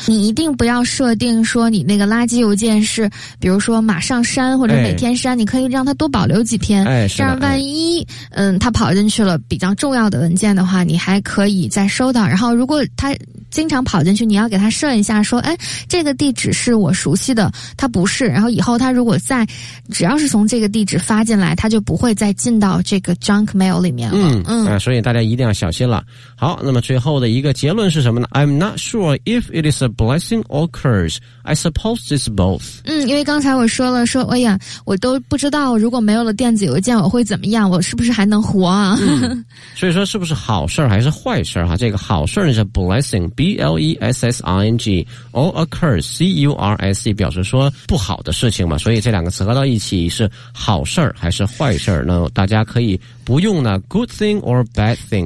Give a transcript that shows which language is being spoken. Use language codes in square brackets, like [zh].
[zh] 你一定不要设定说你那个垃圾邮件是比如说马上删或者每天删，你可以让它多保留几天，这样万一它跑进去了比较重要的文件的话，你还可以再收到。然后如果它经常跑进去，你要给它设一下说这个地址是我熟悉的，他不是，然后以后他如果再只要是从这个地址发进来，他就不会再进到这个 junk mail 里面了。所以大家一定要小心了。好，那么最后的一个结论是什么呢？ [en] I'm not sure if it is a blessing or curse. I suppose it's both. [zh] 因为刚才我说了，说哎呀，我都不知道如果没有了电子邮件我会怎么样，我是不是还能活啊？所以说是不是好事还是坏事啊？这个好事是 blessing, B-L-E-S-S-I-N-G, or a curse, C-U-R-S-E, 表示说不好的事情嘛，所以这两个词合到一起是好事还是坏事，那大家可以不用呢 good thing or bad thing。